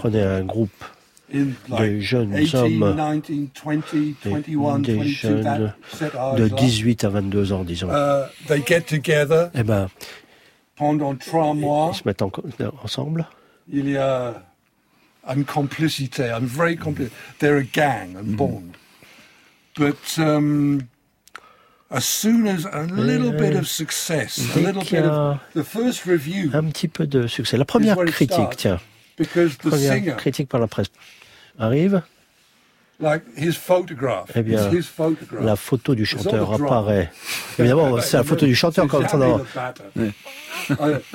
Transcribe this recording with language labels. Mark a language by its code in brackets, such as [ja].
[fr] Prenez un groupe de jeunes hommes, des jeunes de 18 à 22 ans, disons. [en] They get together. [fr] Eh ben, pendant trois mois. Ils se mettent ensemble. Il y a une complicité, une vraie complicité. [en] They're a gang, a bond. But as soon as a little bit of success, a little bit of the first review, [fr] un petit peu de succès, la première critique, tiens, première critique par la presse arrive. [en] Like his photograph. [fr] Eh bien, [en] his photograph. [fr] La photo du chanteur apparaît. Évidemment, c'est la photo du chanteur quand on en...